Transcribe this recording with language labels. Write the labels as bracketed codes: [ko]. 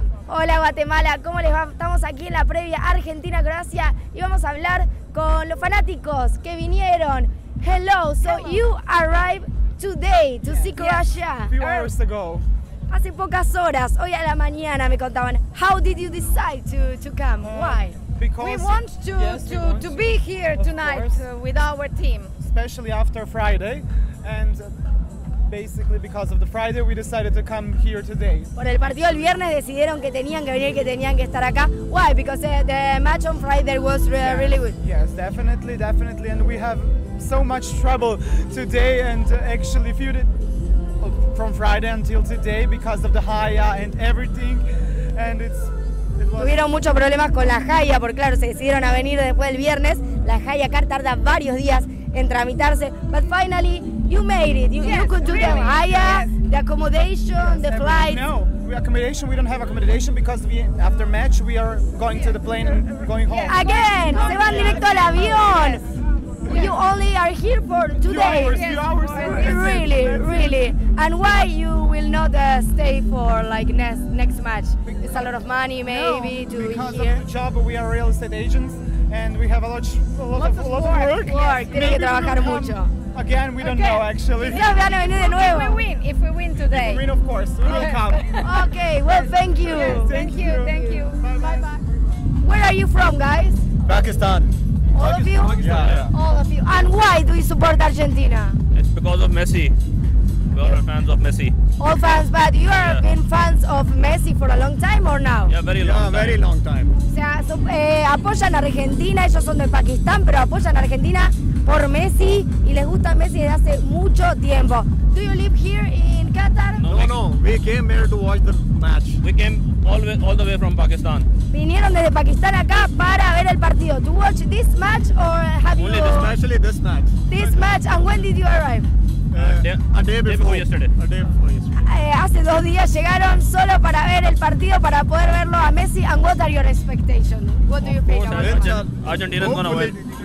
[es] Hola Guatemala, ¿cómo les va? Estamos aquí en la previa Argentina-Croacia y vamos a hablar con los fanáticos que vinieron. [en] Hello, so you arrived today to see Croatia. Few hours ago. [es] Hace pocas horas, hoy a la mañana me contaban. [en] How did you decide to come? Why? Because we want to be here tonight with our team. Especially after Friday and basically because of the Friday we decided to come here today. [es] Por el partido el viernes decidieron que tenían que venir, que tenían que estar acá. [en] Why? Because the match on Friday was really good. Yes, definitely, and we have so much trouble today and actually feel it from Friday until today because of the Haya and everything, and [es] tuvieron muchos problemas con la Haya, porque claro, se decidieron a venir después del viernes. La Haya car tarda varios días en tramitarse, [en] but finally you made it. You could do really? The Haya, the accommodation, the flight. No, accommodation. We don't have accommodation because after match we are going to the plane and going home. [es] Again, se van directo al avión. [en] You only are here for today. Few hours. Really. And why you will not stay for like next match? Because it's a lot of money, maybe to be here. Because of the job, we are real estate agents, and we have a lot of work. [es] Tiene que trabajar mucho. [en] Again, we don't know actually. [es] Ya van a venir de nuevo. [en] If we win today. If we win, of course, we will come. Okay. Well, thank you. Thank you. Bye. Where are you from, guys? Pakistan. All of you? Yeah. All of you. And why do you support Argentina? It's because of Messi. We are fans of Messi. All fans, but you have been fans of Messi for a long time or now? Yeah, very long time. [es] O sea, apoyan a Argentina, ellos son de Pakistán, pero apoyan a Argentina por Messi y les gusta Messi desde hace mucho tiempo. [en] Do you live here in Qatar? No. We came here to watch the match. We came all the way from Pakistan. [es] Vinieron desde Pakistán acá para ver el partido. [en] To watch this match or have only you... Only especially this match. This match, and when did you arrive? A day before yesterday. [es] Hace dos días llegaron solo para ver el partido, para poder verlo a Messi. [en] And what are your expectations? What do you think about it? Argentina is going to win.